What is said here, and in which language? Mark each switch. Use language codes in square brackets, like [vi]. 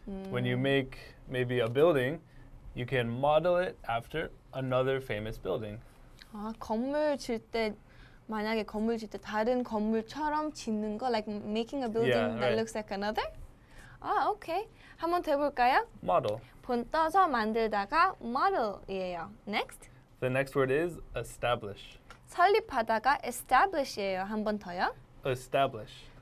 [en] When you make maybe a building, you can model it after another famous building. [ko] 건물 질 때, 만약에 건물 질 때 다른 건물처럼 짓는 거? [en] Like making a building that looks like another? [ko] 오케이. 한번 해볼까요? [en] Model. [ko] 본 떠서 만들다가 model이에요. Next. [en] The next word is establish. [ko] 설립하다가 establish이에요. 한번 더요. [en] Establish.